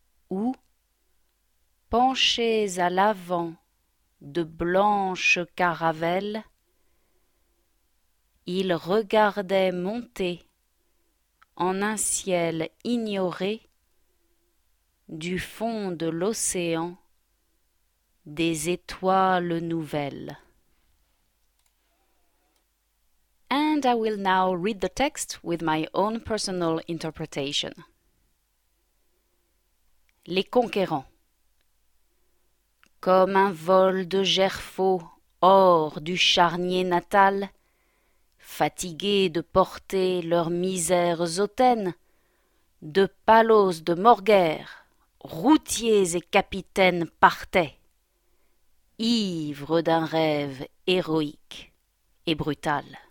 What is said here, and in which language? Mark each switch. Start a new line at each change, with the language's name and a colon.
French: où, penchés à l'avant de blanches caravelles, ils regardaient monter en un ciel ignoré du fond de l'océan des étoiles nouvelles.
English: And I will now read the text with my own personal interpretation.
French: Les Conquérants. Comme un vol de gerfaux hors du charnier natal, fatigués de porter leurs misères hautaines, de Palos de Moguer, routiers et capitaines partaient, ivres d'un rêve héroïque et brutal.